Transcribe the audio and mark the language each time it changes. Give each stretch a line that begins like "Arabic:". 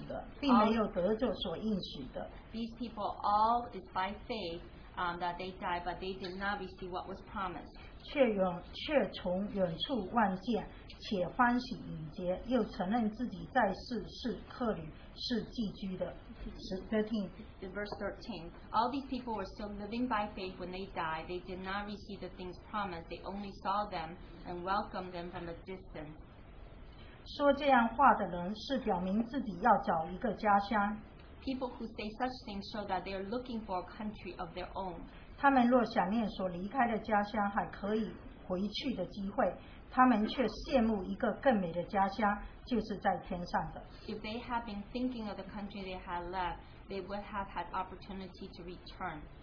Chinese: 这些人都是存着信心死的，并没有得着所应许的。
English: These people all is by faith that they died, but they did not receive what was promised.
Chinese: 却从远处望见，且欢喜迎接，又承认自己在世是客旅。是寄居的，13.
English: All these people were still living by faith when they died. They did not receive the things promised. They only saw them and welcomed them from a distance.
Chinese: 说这样话的人是表明自己要找一个家乡。
English: People who say such things show that they are looking for a country of their own.
Chinese: 他们若想念所离开的家乡还可以回去的机会。他们却羡慕一个更美的家乡，就是在天上的。
English: If they had been thinking of the country they had left, they would have had opportunity to return.